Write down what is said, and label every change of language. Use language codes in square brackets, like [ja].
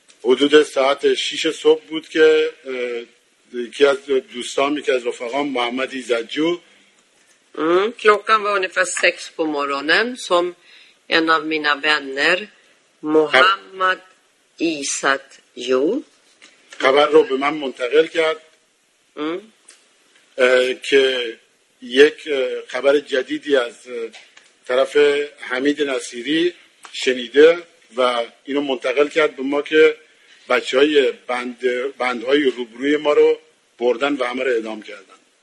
[fa] حدود ساعت 6 صبح بود که یکی از دوستام یکی از رفقام محمد ایزدجو [sv] klockan var ungefär 6 på morgonen som en av mina vänner Mohammad Isadjo [fa] خبر رو به من منتقل کرد که یک خبر جدیدی از طرف حمید نصیری شنیده و اینو منتقل کرد به ما که بچه‌های بندهای روبروی ما رو بردن و همه رو اعدام کردن.